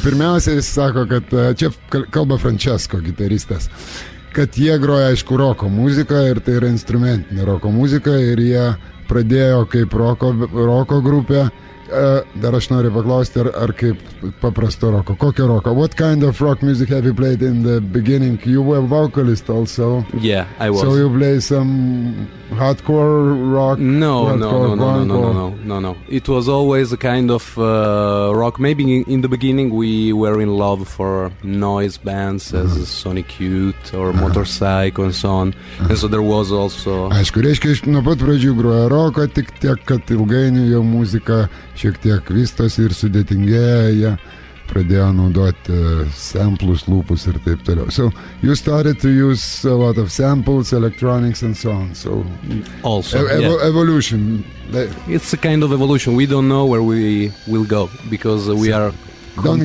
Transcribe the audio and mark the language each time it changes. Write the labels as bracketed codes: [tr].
[lt] Pirmiausia, jis sako, kad čia kalba Francesco, gitaristas, kad jie groja, aišku, roko muziką ir tai yra instrumentinė roko muzika ir jie pradėjo kaip roko grupė. Dar aš noriu paklausti, ar kaip paprasto roko. Kokio roko? [en] What kind of rock music have you played in the beginning? You were vocalist also. Yeah, I was. So you play some hardcore rock? No. It was always a kind of rock. Maybe in the beginning we were in love for noise bands as Sonic Youth or Motorcycle and so on. And so there was also... [lt] Aišku, reiškia, nuo pat pradžių groja roką, tik tiek, kad ilgainiui jo muzika... šiek tiek vystosi ir sudėtingėja, jie pradėjo naudoti samplus, lūpus ir taip toliau. [en] So, you started to use a lot of samples, electronics and so on. So, also, evolution. It's a kind of evolution. We don't know where we will go because we are continuously